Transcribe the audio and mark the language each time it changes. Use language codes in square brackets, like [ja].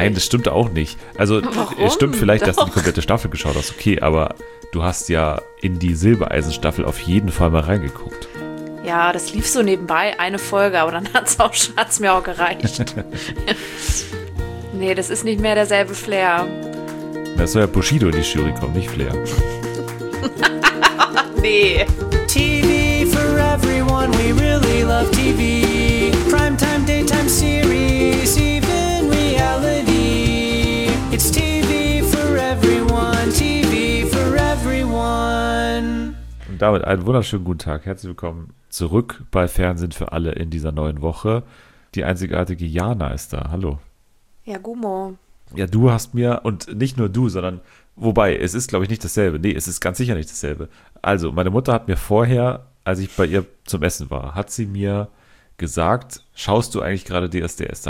[de] Nein, das stimmt auch nicht. Also, es stimmt vielleicht, dass du die komplette Staffel geschaut hast, okay, aber du hast ja in die Silbereisen-Staffel auf jeden Fall mal reingeguckt. Ja, das lief so nebenbei, eine Folge, aber dann hat's mir auch gereicht. Nee, das ist nicht mehr derselbe Flair. Das soll ja Bushido in die Jury kommen, nicht Flair. Nee. [en] TV for everyone, we really love TV. Primetime, daytime series, even reality. It's TV for everyone, TV for everyone. [de] Und damit einen wunderschönen guten Tag. Herzlich willkommen zurück bei Fernsehen für alle in dieser neuen Woche. Die einzigartige Jana ist da. Hallo. Ja, Gumo. Ja, du hast mir, und nicht nur du, sondern, wobei, es ist, glaube ich, nicht dasselbe. Nee, es ist ganz sicher nicht dasselbe. Also, meine Mutter hat mir vorher, als ich bei ihr zum Essen war, hat sie mir gesagt, schaust du eigentlich gerade DSDS?